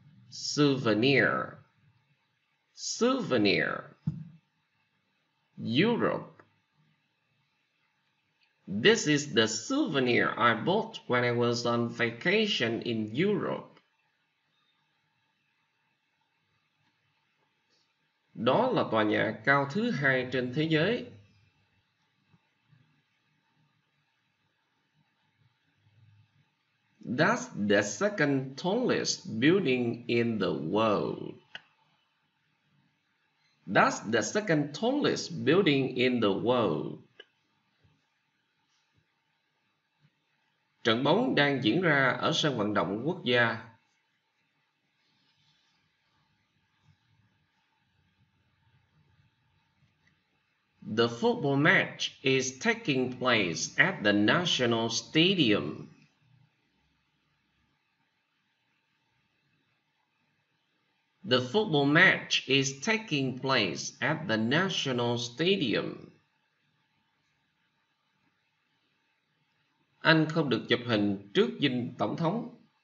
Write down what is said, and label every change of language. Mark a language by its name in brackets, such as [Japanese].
[English] Souvenir. Souvenir. Europe. This is the souvenir I bought when I was on vacation in Europe. [Vietnamese] Đó là tòa nhà cao thứ hai trên thế giới. [English] That's the second tallest building in the world. That's the second tallest building in the world. [Vietnamese] Trận bóng đang diễn ra ở sân vận động quốc gia. [English] The football match is taking place at the National Stadium. The football match is taking place at the National Stadium. [Vietnamese] Anh không được chụp hình trước dinh tổng thống.